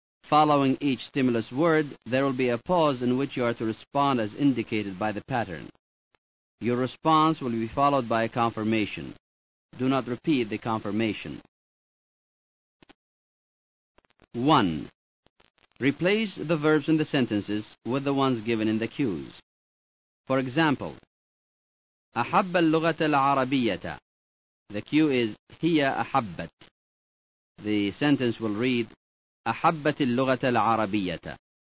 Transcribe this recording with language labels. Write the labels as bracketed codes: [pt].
[en] Following each stimulus word, there will be a pause in which you are to respond as indicated by the pattern. Your response will be followed by a confirmation. Do not repeat the confirmation. 1. Replace the verbs in the sentences with the ones given in the cues. For example, [ar] أحب اللغة العربية. [en] The cue is [ar] هي أحبت. [en] The sentence will read [ar] أحبت اللغة العربية.